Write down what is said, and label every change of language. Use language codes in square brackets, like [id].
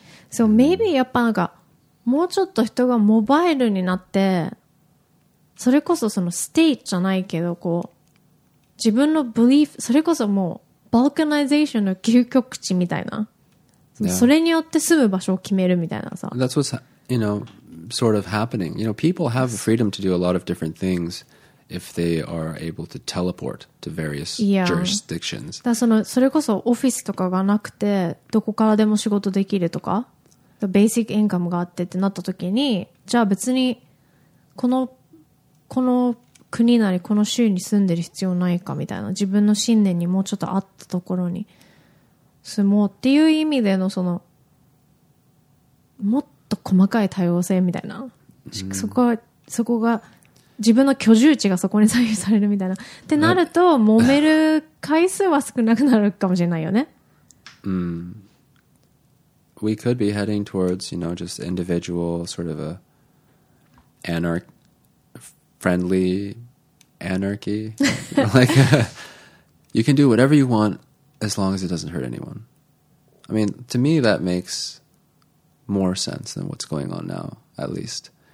[en] So maybe [ja] やっぱなんかもうちょっと人がモバイルになって、それこそそのステイじゃないけど、こう自分のブリーフ、それこそもうバルカナイゼーションの究極地みたいな、 それによって住む場所を決めるみたいなさ。 [en] That's what's, you know, sort of happening. You know, people have freedom to do a lot of different things if they are able to teleport to various jurisdictions. [ja] だ、そのそれこそオフィスとかがなくてどこからでも仕事できるとか、ベーシックインカムがあってってなった時に、じゃあ別にこの国なりこの州に住んでる必要ないかみたいな、自分の信念にもうちょっと合ったところに住もうっていう意味でのそのもっと細かい多様性みたいな、そこが自分の居住地がそこに左右されるみたいなってなると、揉める回数は少なくなるかもしれないよね。 [en] We could be heading towards, you know, just individual sort of a anarchy. Friendly anarchy. Like, you can do whatever you want as long as it doesn't hurt anyone. I mean, to me, that makes more sense than what's going on now, at least.